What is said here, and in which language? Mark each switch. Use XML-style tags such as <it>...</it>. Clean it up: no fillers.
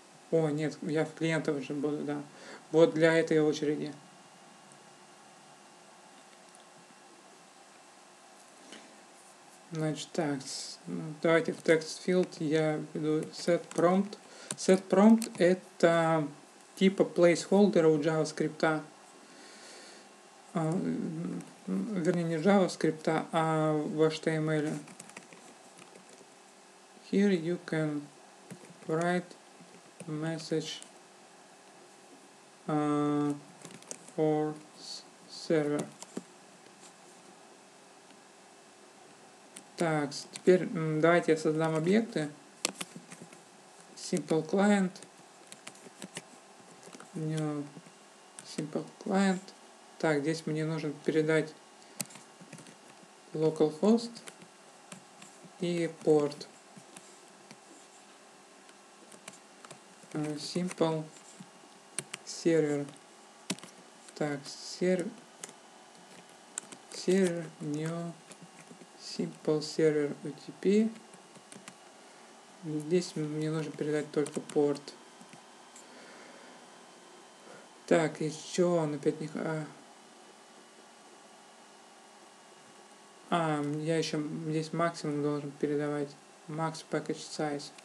<ru>О, нет, я в клиентов уже буду, да. Вот для этой очереди. Значит, так, давайте в text field я введу set prompt. Set prompt — это типа placeholder у JavaScript. Вернее, не JavaScript, а в HTML.</ru> <en>Here you can write message for server.</en> <ru>Так, теперь давайте я создам объекты.</ru> <en>Simple client. New simple client.</en> <ru>Так, здесь мне нужно передать localhost и port.</ru> <en>Simple server. Так, server new simple server UTP.</en> <ru>Здесь мне нужно передать только порт. Так, еще он опять не... я еще здесь максимум должен передавать.</ru> <en>Max package size.</en>